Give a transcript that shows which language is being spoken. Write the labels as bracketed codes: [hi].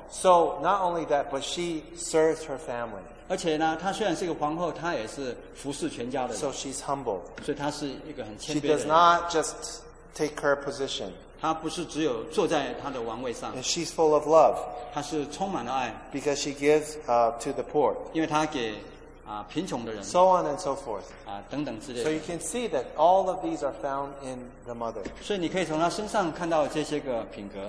[en] So not only that, but she serves her family. [zh] 而且呢，她虽然是一个皇后，她也是服侍全家的人。 [en] So she's humble. [zh] 所以她是一个很谦卑的人。 [en] She does not just take her position. [zh] 她不是只有坐在她的王位上。 [en] And she's full of love. [zh] 她是充满了爱。 [en] Because she gives to the poor. [zh] 因为她给贫穷的人。 [en] So on and so forth. [zh] 等等之类的。 [en] So you can see that all of these are found in the mother. [zh] 所以你可以从她身上看到这些个品格。